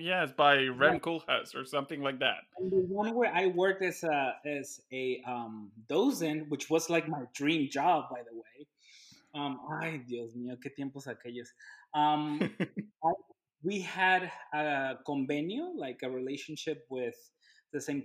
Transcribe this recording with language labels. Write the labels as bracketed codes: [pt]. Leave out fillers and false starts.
[en] Yes, by Rem Koolhaas or something like that. And the one where I worked as a docent, which was like my dream job, by the way. [es] Ay, Dios mío, qué tiempos aquellos. [en] We had a convenio, like a relationship with the St.